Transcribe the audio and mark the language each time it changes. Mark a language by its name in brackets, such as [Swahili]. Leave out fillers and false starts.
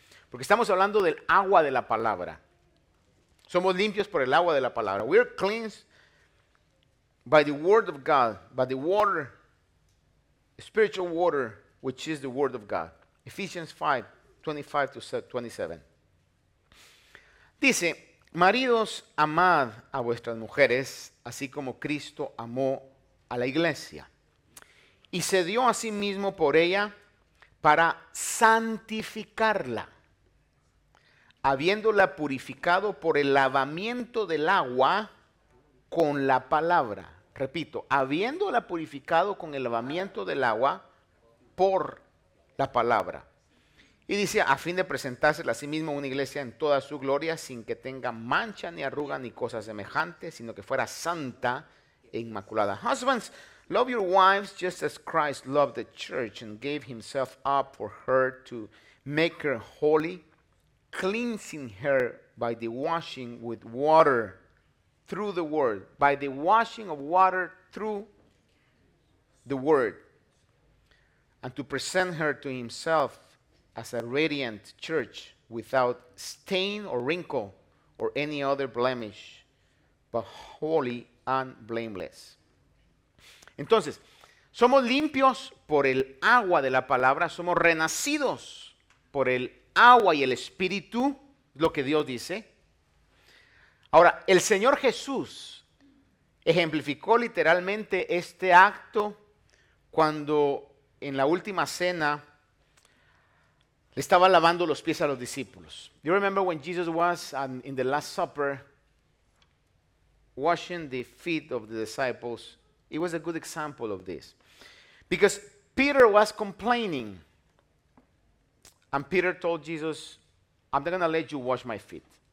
[Spanish] Porque estamos hablando del agua de la palabra. Somos limpios por el agua de la palabra. [English] We are cleansed by the word of God, by the water, spiritual water, which is the word of God. Ephesians 5, 25 to 27. [Spanish] Dice, maridos, amad a vuestras mujeres, así como Cristo amó a la iglesia. Y se dio a sí mismo por ella para santificarla, habiéndola purificado por el lavamiento del agua con la palabra. Repito, habiéndola purificado con el lavamiento del agua por la palabra. Y dice, a fin de presentársela a sí mismo una iglesia en toda su gloria, sin que tenga mancha ni arruga ni cosa semejante, sino que fuera santa e inmaculada. [English] Husbands, love your wives just as Christ loved the church and gave himself up for her to make her holy, cleansing her by the washing with water through the word. By the washing of water through the word. And to present her to himself as a radiant church without stain or wrinkle or any other blemish, but holy and blameless. [Spanish] Entonces, somos limpios por el agua de la palabra, somos renacidos por el agua y el Espíritu, lo que Dios dice. Ahora, el Señor Jesús ejemplificó literalmente este acto cuando en la última cena le estaba lavando los pies a los discípulos. [English] You remember when Jesus was in the Last Supper washing the feet of the disciples? It was a good example of this. Because Peter was complaining. And Peter told Jesus, I'm not going to let you wash my feet.